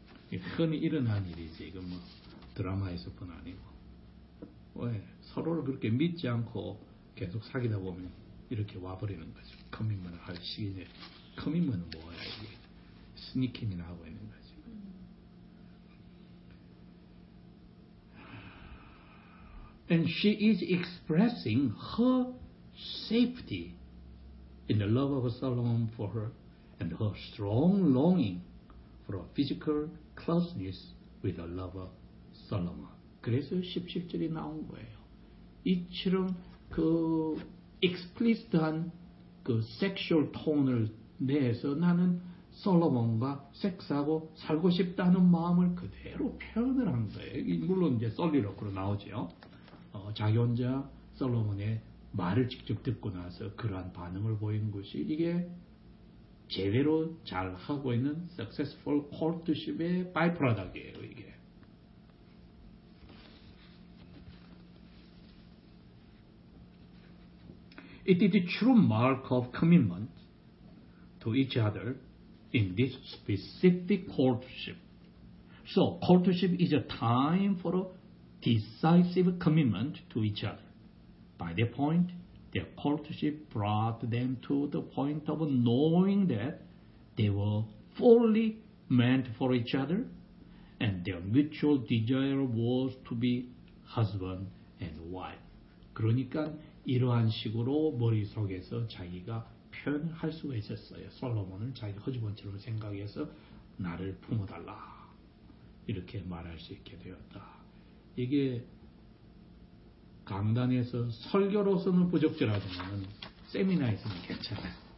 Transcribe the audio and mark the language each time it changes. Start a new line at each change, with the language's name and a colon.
Korean: 흔히 일어난 일이지. 이거 뭐 드라마에서뿐 아니고 왜 서로를 그렇게 믿지 않고 계속 사귀다 보면 이렇게 와버리는 거죠. 커밋먼트 할 시기에 커밋먼트 뭐야 이게 스니킹이나 하고 있는 거죠.
English: And she is expressing her safety in the love of Solomon for her and her strong longing for a physical closeness with her lover Solomon.
Korean: 그래서 17절이 나온 거예요. 이처럼 그 익스플리시트한 그 섹슈얼 톤을 내서 나는 솔로몬과 섹스하고 살고 싶다는 마음을 그대로 표현을 한 거예요. 물론 이제 솔리로크로 나오죠. 자기 혼자 솔로몬의 말을 직접 듣고 나서 그러한 반응을 보인 것이 이게 제대로 잘 하고 있는 successful courtship의 바이프로덕트예요.
English: 이게 It is a true mark of commitment to each other in this specific courtship. So, courtship is a time for a decisive commitment to each other. By that point, their courtship brought them to the point of knowing that they were fully meant for each other and their mutual desire was to be husband and wife.
Korean: 그러니까 이러한 식으로 머릿속에서 자기가 표현을 할 수가 있었어요. 솔로몬을 자기 허지본처럼 생각해서 나를 품어달라 이렇게 말할 수 있게 되었다. 이게 강단에서 설교로서는 부적절하지만 세미나에서는 괜찮아요.